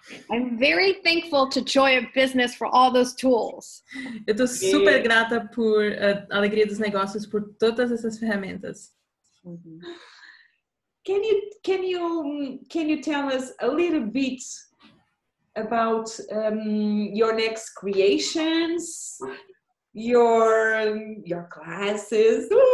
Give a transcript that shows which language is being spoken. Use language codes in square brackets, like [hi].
[en] I'm very thankful to Joy of Business for all those tools. [pt] Eu tô super grata por Alegria dos Negócios por todas essas ferramentas. Mm-hmm. [en] Can you tell us a little bit about your next creations, your classes?